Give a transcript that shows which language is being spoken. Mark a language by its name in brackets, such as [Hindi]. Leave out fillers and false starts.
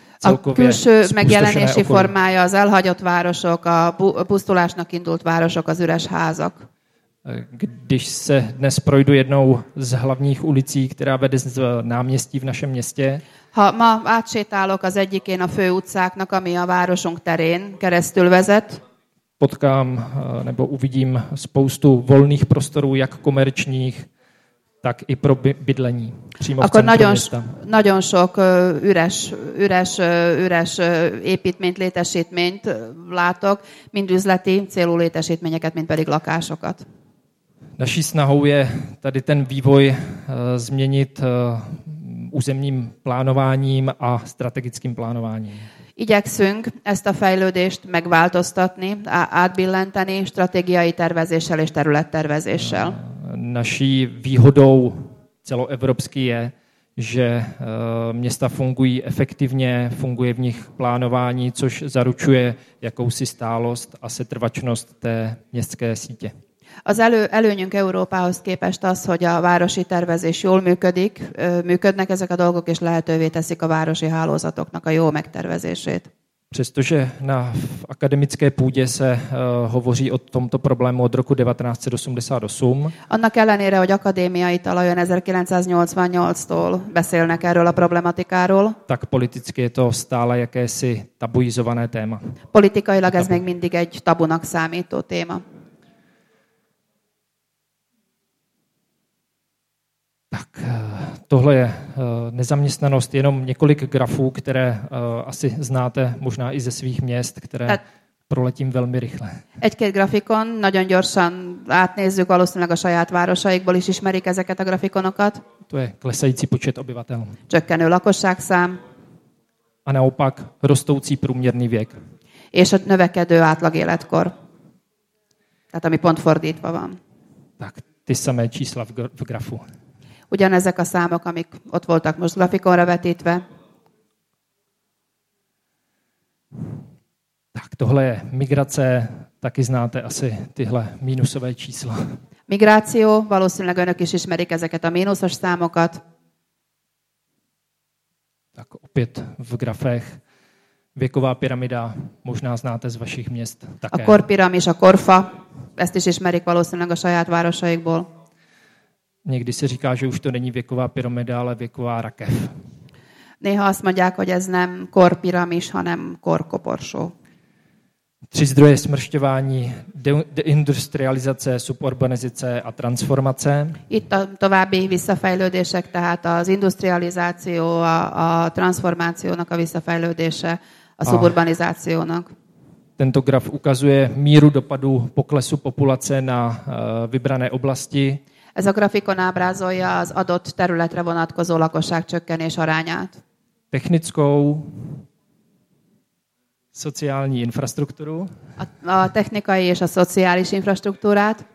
[Hungarian] A külső megjelenési formája az elhagyott városok, a pusztulásnak indult városok, az üres házak. [Czech] Když se dnes projdu jednou z hlavních ulicí, která vede z náměstí v našem městě. [Hungarian] Ha ma átsétálok az egyikén a fő utcáknak, ami a városunk terén keresztül vezet. [Czech] Potkám nebo uvidím spoustu volných prostorů, jak komerčních, tak i pro bydlení přímo akkor v centru města. [Hungarian] Nagyon sok üres építményt, létesítményt látok, mind üzleti célú létesítményeket, mind pedig lakásokat. [Czech] Naší snahou je tady ten vývoj změnit územním plánováním a strategickým plánováním. [Hungarian] Igyekszünk ezt a fejlődést megváltoztatni, átbillenteni strategiai tervezéssel és területtervezéssel. [Czech] Naší výhodou celoevropský je, že města fungují efektivně, funguje v nich plánování, což zaručuje jakousi stálost a setrvačnost té městské sítě. [Hungarian] Az előnyünk Európához képest az, hogy a városi tervezés jól működik, működnek ezek a dolgok, és lehetővé teszik a városi hálózatoknak a jó megtervezését. [Czech] Přestože na akademické půdě se hovoří o tomto problému od roku 1988. [Hungarian] Annak ellenére, hogy akadémiai talajon 1988-tól beszélnek erről a problematikáról. [Czech] Tak politicky je to stále jakési tabuizované téma. [Hungarian] Politikailag ez még mindig egy tabunak számító téma. [Czech] Tak tohle je nezaměstnanost, jenom několik grafů, které asi znáte možná i ze svých měst, které proletím velmi rychle. [Hungarian] Egy-két grafikon, nagyon gyorsan átnézzük, valószínűleg a saját városaikból is ismerik ezeket a grafikonokat. [Czech] To je klesající počet obyvatel. [Hungarian] Csökkenő lakosságszám. [Czech] A naopak rostoucí průměrný věk. [Hungarian] És a növekedő átlag életkor. Tehát ami pont fordítva van. [Czech] Tak ty samé čísla v grafu. [Hungarian] Ugyanezek a számok, amik ott voltak most grafikonra vetítve. [Czech] Tak tohle je migrace, taky znáte asi tyhle mínusové čísla. [Hungarian] Migráció, valószínűleg önök is ismerik ezeket a mínuszos számokat. [Czech] Tak opět v grafech. Věková pyramida, možná znáte z vašich měst také. [Hungarian] A korpiramis, a korfa, ezt is ismerik valószínűleg a saját városaikból. [Czech] Někdy se říká, že už to není věková pyramida, ale věková rakev. [Hungarian] Néha azt mondják, hogy ez nem korpiramis, hanem korkoporsó. [Czech] Tři zdroje smršťování, deindustrializace, suburbanizace a transformace. [Hungarian] Itt a további visszafejlődések, tehát az industrializáció, a transformációnak a visszafejlődése, a suburbanizációnak. [Czech] Tento graf ukazuje míru dopadu poklesu populace na vybrané oblasti. [Hungarian] Ez a grafikon ábrázolja az adott területre vonatkozó lakosságcsökkenés arányát. [Czech] Technickou, sociální infrastruktúru. [Hungarian] A technikai és a szociális infrastruktúrát.